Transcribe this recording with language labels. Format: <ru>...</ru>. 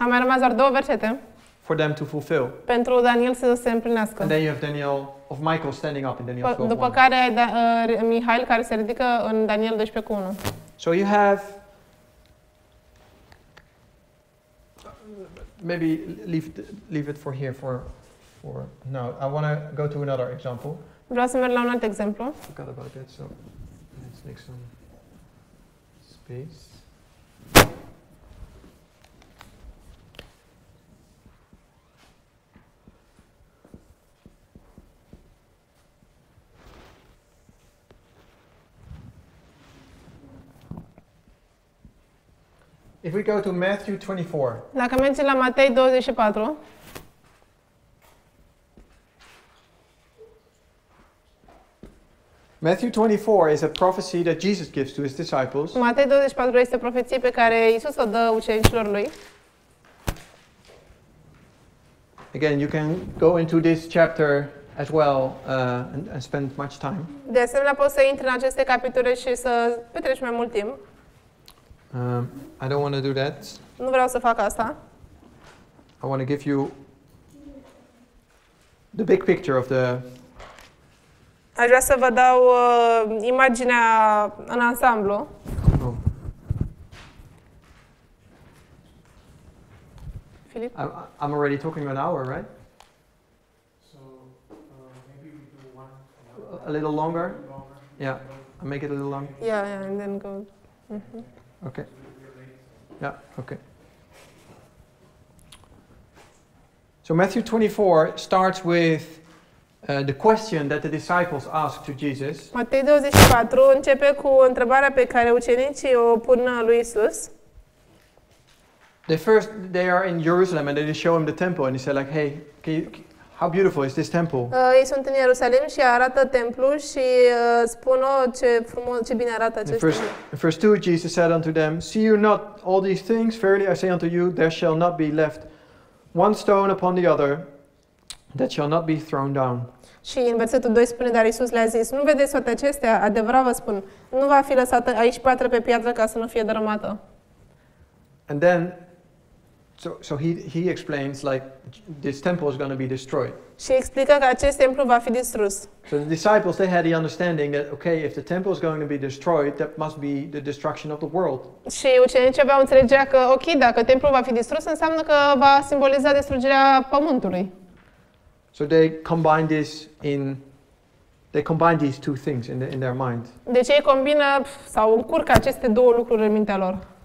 <ro>A mai rămas doar două versete.</ro> <en>For them to fulfill.</en> <ro>Pentru Daniel să se împlinească.</ro> <en>And then you have Daniel of Michael standing up in Daniel 12:1.</en> <ro>După care Mihail care se ridică în Daniel 12:1.</ro> <en>So you have. Maybe leave it for here for now. I want to go to another example.</en> <ro>Vreau să merg la un alt exemplu.</ro> <en>I forgot about that, so let's make some space. If we go to Matthew 24.</en> <ro>Dacă mergem la Matei 24.</ro> <en>Matthew 24 is a prophecy that Jesus gives to his disciples.</en> <ro>Matei 24 este o profeție pe care Iisus o dă ucenicilor lui.</ro> <en>Again, you can go into this chapter as well and spend much time.</en> <ro>De asemenea, poți să intri în aceste capitole și să petreci mai mult timp.</ro> <en>I don't want to do that.</en> <ro>Nu vreau să fac asta.</ro> <en>I want to give you the big picture of the.</en> <ro>Aș vrea să vă dau imaginea în ansamblu. Oh.</ro> <en>Philip. I'm already talking an hour, right? So maybe we do one. A little longer. Longer. Yeah, I make it a little longer. Yeah, and then go. Mm-hmm. Okay. Yeah, okay. So Matthew 24 starts with the question that the disciples ask to Jesus.</en> <ro>Matei 24 începe cu întrebarea pe care ucenicii o pun lui Isus.</ro> <en>They first they are in Jerusalem and they show him the temple and he said like, "Hey, how beautiful is this temple?"</en> <ro>Ei sunt în Ierusalim și arată templul și spun ce frumos, ce bine arată acest templu.</ro> <en>Verse 2, Jesus said unto them, "See you not all these things? Verily I say unto you, there shall not be left one stone upon the other that shall not be thrown down."</en> <ro>Și în versetul 2 spune, dar Iisus le-a zis, "Nu vedeți toate acestea? Adevărat vă spun, nu va fi lăsată aici piatră pe piatră ca să nu fie dărâmată."</ro> <en>And then So he explains like this temple is going to be destroyed.</en> <ro>Și explică că acest templu va fi distrus.</ro> <en>So the disciples they had the understanding that okay, if the temple is going to be destroyed, that must be the destruction of the world.</en> <ro>Și ucenicii aveau înțelegea că ok, dacă templul va fi distrus, înseamnă că va simboliza distrugerea pământului.</ro> <en>So they combine this in They combine these two things in their mind.</en> <ro>Deci ei combină sau încurcă aceste două lucruri în mintea lor.</ro>